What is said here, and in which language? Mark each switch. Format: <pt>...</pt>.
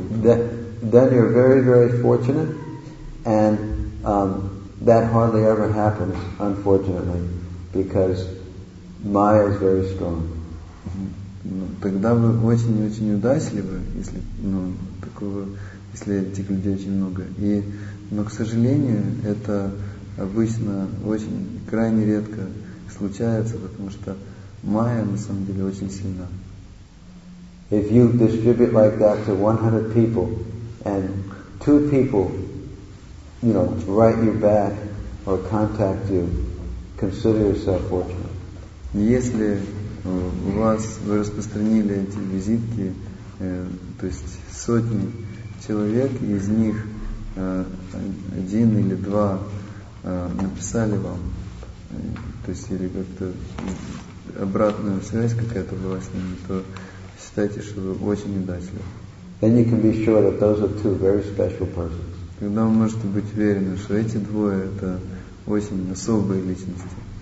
<en>Then you're very, very fortunate, and that hardly ever happens, unfortunately, because Maya is very strong.</en> <ru>Тогда вы очень-очень удачливы, если, ну, такого, если этих людей очень много. И, но, к сожалению, это обычно очень, крайне редко случается, потому что майя, на самом деле, очень сильна.</ru> <en>If you distribute like that to 100 people, and 2 people, you know, write you back or contact you, consider yourself fortunate.</en> <ru>Если у вас, вы распространили эти визитки, то есть сотни человек, из них один или два написали вам, то есть или как-то обратную связь какая-то была с ними, то считайте, что вы очень удачливы.</ru> <en>Then you can be sure that those are two very special persons.</en> <ru>Тогда вы можете быть уверены, что эти двое – это очень особые личности.</ru>